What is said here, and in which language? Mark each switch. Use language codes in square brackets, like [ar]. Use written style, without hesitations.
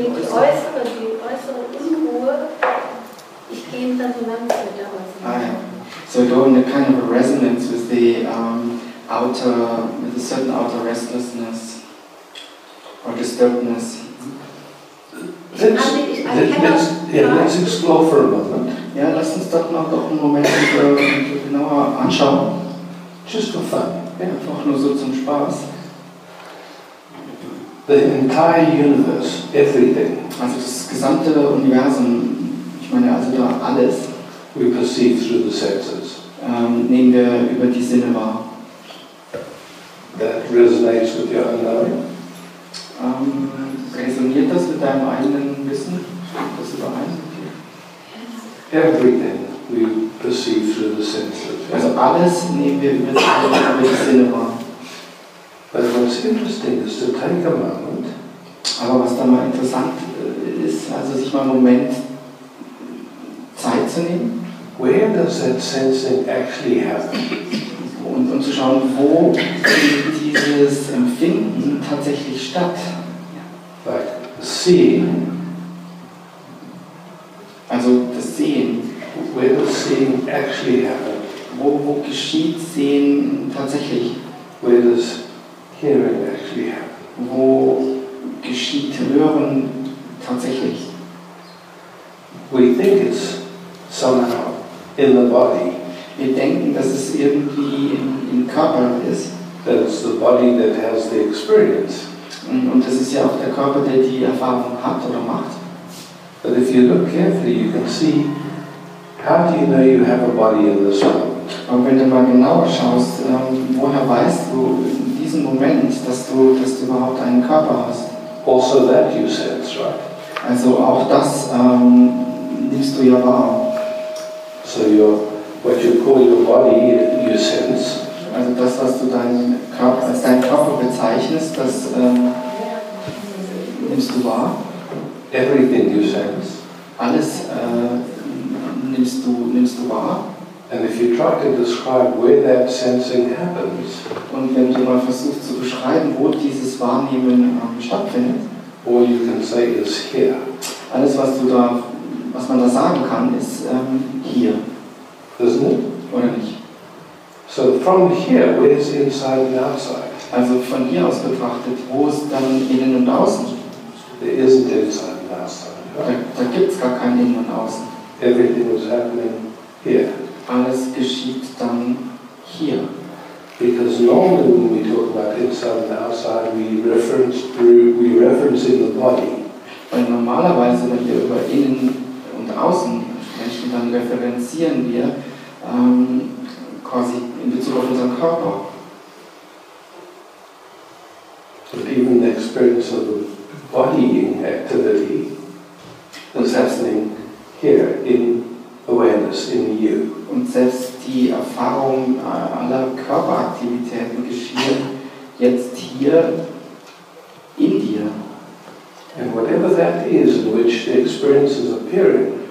[en] So I go in a kind of a resonance with the outer, with a certain outer restlessness or disturbedness. Mm-hmm. let's explore for a moment. [de] Ja, lass uns doch noch einen Moment genauer anschauen. [en] Just for fun. [de] Ja, einfach nur so zum Spaß. [en] The entire universe, everything. [de] Also das gesamte Universum, ich meine also ja alles. [en] We perceive through the senses. [de] Nehmen wir über die Sinne wahr. [en] That resonates with your unknowing. [de] Resoniert das mit deinem eigenen Wissen? Das überein? [en] Everything we perceive through the senses. [de] Also alles nehmen wir über die Sinne wahr. [en] But what's interesting is to take a moment. [de] Aber was dann mal interessant ist, also sich mal einen Moment Zeit zu nehmen. [en] Where does that sensing actually happen? [de] Und zu schauen, wo findet dieses Empfinden tatsächlich statt? [en] Right. Seeing. [de] Also das Sehen. [en] Where does seeing actually happen? [de] Wo geschieht Sehen tatsächlich? [en] Where does hearing actually happen? [de] Wo geschieht Hören tatsächlich? [en] We think it's somehow in the body. [de] Wir denken, dass es irgendwie im Körper ist. [en] That it's the body that has the experience. [de] Und das ist ja auch der Körper, der die Erfahrung hat oder macht. [en] But if you look carefully, you can see, how do you know you have a body in this moment? [de] Und wenn du mal genauer schaust, woher weißt du in diesem Moment, dass du überhaupt einen Körper hast? [en] Also that you sense, right? [de] Also auch das nimmst du ja wahr. [en] So what you call your body, you sense. [de] Also das, was du als deinen Körper bezeichnest, das nimmst du wahr. [en] Everything you sense. [de] Alles nimmst du wahr. [en] And if you try to describe where that sensing happens. [de] Und wenn du mal versuchst zu beschreiben, wo dieses Wahrnehmen stattfindet. [en] All you can say is here. [de] Alles, was man da sagen kann, ist hier. [en] Isn't it? [de] Oder nicht? [en] So from here, where is inside and outside? [de] Also von hier aus betrachtet, wo ist dann innen und außen? [en] There isn't inside and outside. Right? [de] Da gibt es gar kein innen und außen. [en] Everything is happening here. [de] Alles geschieht dann hier. [en] Because normally when we talk about inside and outside, we reference in the body. [de] Weil normalerweise, wenn wir über innen und außen sprechen, dann referenzieren wir quasi in Bezug auf unseren Körper. [en] So even the experience of the body activity is happening here in awareness, in you. [de] Und selbst die Erfahrung aller Körperaktivitäten geschieht jetzt hier in dir. [en] And whatever that is in which the experience is appearing,